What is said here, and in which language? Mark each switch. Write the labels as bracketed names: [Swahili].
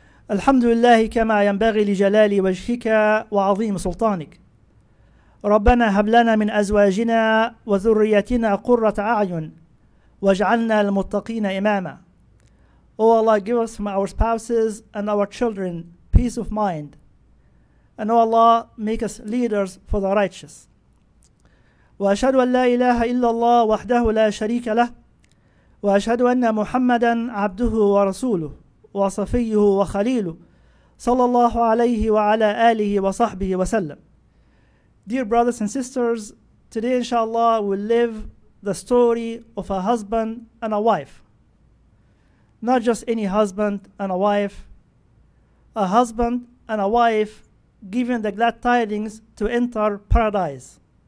[Arabic] الحمد لله كما ينبغي لجلال وجهك وعظيم سلطانك. ربنا هب لنا من أزواجنا وذريتنا قرة أعين واجعلنا المتقين إماما. [English] Oh Allah, give us from our spouses and our children peace of mind. And oh Allah, make us leaders for the righteous. [Arabic] وأشهد أن لا إله إلا الله وحده لا شريك له وأشهد أن محمدًا عبده ورسوله وصفيه وخليله صلى الله عليه وعلى آله وصحبه وسلم. [English] Dear brothers and sisters, today inshallah we'll live the story of a husband and a wife. Not just any husband and a wife. A husband and a wife giving the glad tidings to enter paradise.